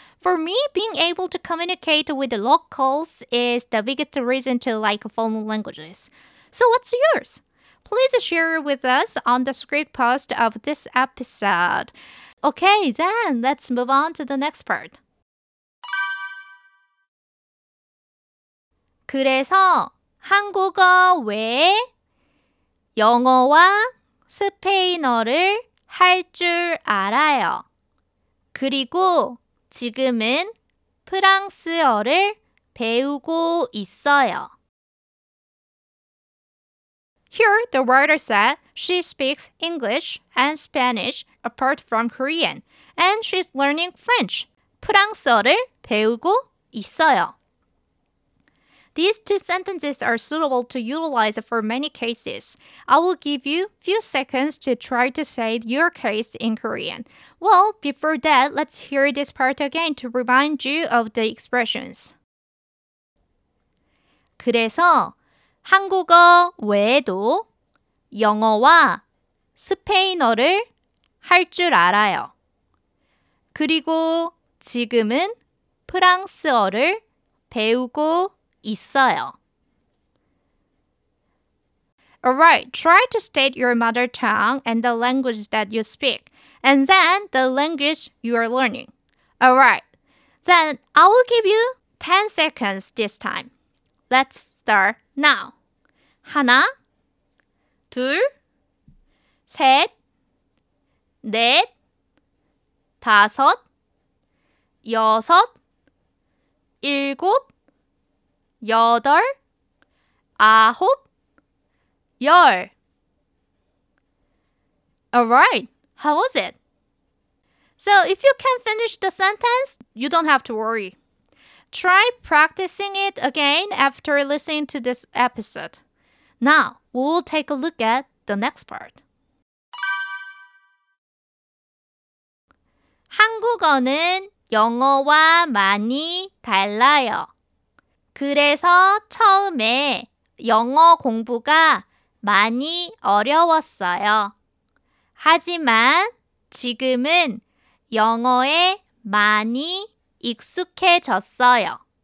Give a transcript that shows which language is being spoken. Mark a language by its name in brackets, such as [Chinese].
[English] For me, being able to communicate with the locals is the biggest reason to like foreign languages. So what's yours? Please share with us on the script post of this episode. Okay, then let's move on to the next part. [Korean] 그래서 한국어 외에 영어와 스페인어를 할 줄 알아요. 그리고 지금은 프랑스어를 배우고 있어요. [English] Here, the writer said she speaks English and Spanish apart from Korean, and she's learning French. [Korean] 프랑스어를 배우고 있어요. [English] These two sentences are suitable to utilize for many cases. I will give you a few seconds to try to say your case in Korean. Well, before that, let's hear this part again to remind you of the expressions. 그래서 한국어 외에도 영어와 스페인어를 할 줄 알아요. 그리고 지금은 프랑스어를 배우고 있어요. Alright, try to state your mother tongue and the language that you speak, and then the language you are learning. Alright, then I will give you 10 seconds this time. Let's start now. [Korean] 하나, 둘, 셋, 넷, 다섯, 여섯, 일곱, 여덟, 아홉, 열. [English] Alright, how was it? So if you can finish the sentence, you don't have to worry. Try practicing it again after listening to this episode. Now, we'll take a look at the next part. [Korean] 한국어는 영어와 많이 달라요. 그래서 처음에 영어 공부가 많이 어려웠어요. 하지만 지금은 영어에 많이 익숙해졌어요.